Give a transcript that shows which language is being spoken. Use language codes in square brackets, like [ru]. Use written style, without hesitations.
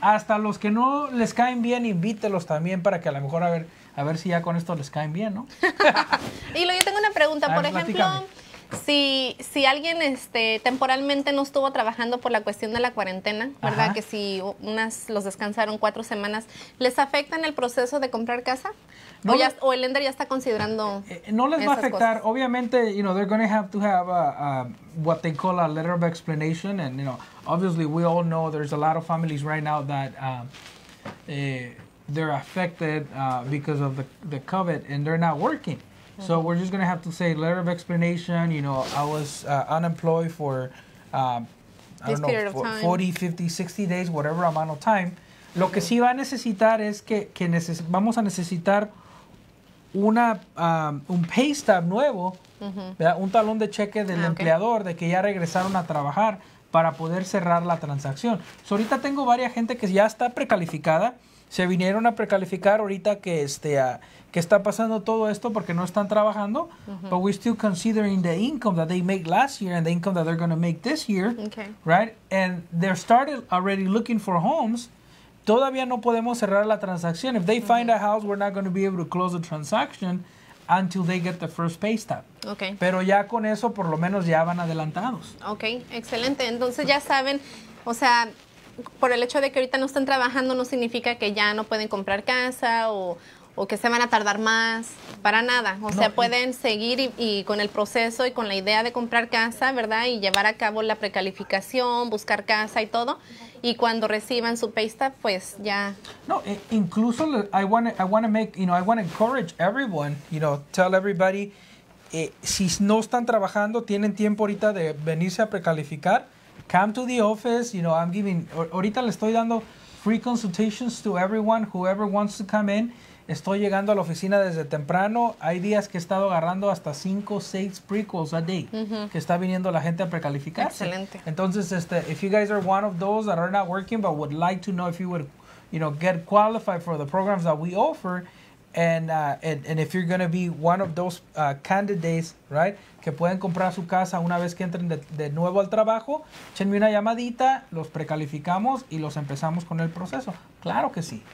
[es] Hasta los que no les caen bien, invítelos también para que a lo mejor a ver si ya con esto les caen bien, ¿no? Y yo tengo una pregunta. Por ejemplo, si alguien temporalmente no estuvo trabajando por la cuestión de la cuarentena, ¿verdad? Ajá. Que si los descansaron 4 semanas, ¿les afecta en el proceso de comprar casa? No, ¿O el lender ya está considerando No les va a afectar. Cosas. [en] Obviamente, you know, they're going to have what they call a letter of explanation. And, you know, obviously we all know there's a lot of families right now that they're affected because of the COVID and they're not working. So we're just going to have to say letter of explanation. You know, I was unemployed for, this period of time. 40, 50, 60 days, whatever amount of time. [es] Lo que sí va a necesitar es que vamos a necesitar un pay stub nuevo, mm-hmm. un talón de cheque del empleador de que ya regresaron a trabajar para poder cerrar la transacción. So ahorita tengo varias gente que ya está precalificada. Se vinieron a precalificar ahorita que está pasando todo esto porque no están trabajando. Mm-hmm. [en] But we're still considering the income that they made last year and the income that they're going to make this year. Okay. Right? And they're started already looking for homes. [es] Todavía no podemos cerrar la transacción. [en] If they [es] mm-hmm. [en] find a house, we're not going to be able to close the transaction until they get the first pay stub. Okay. [es] Pero ya con eso, por lo menos, ya van adelantados. Okay, excelente. Entonces, ya saben, o sea, por el hecho de que ahorita no están trabajando no significa que ya no pueden comprar casa o que se van a tardar más, para nada. O sea, pueden seguir y con el proceso y con la idea de comprar casa, ¿verdad? Y llevar a cabo la precalificación, buscar casa y todo. Y cuando reciban su pay stub, pues ya. No, incluso [en] I want to encourage everyone, you know, tell everybody, [es] si no están trabajando, tienen tiempo ahorita de venirse a precalificar. [en] Come to the office, you know, I'm giving, [es] ahorita le estoy dando [en] free consultations to everyone, whoever wants to come in. [es] Estoy llegando a la oficina desde temprano. Hay días que he estado agarrando hasta [en] 5 or 6 prequels a day, [es] mm-hmm. que está viniendo la gente a precalificarse. Excelente. [en] Entonces, if you guys are one of those that are not working but would like to know if you would, you know, get qualified for the programs that we offer, And if you're going to be one of those candidates, right, [es] que pueden comprar su casa una vez que entren de nuevo al trabajo, échenme una llamadita, los precalificamos y los empezamos con el proceso. Claro que sí.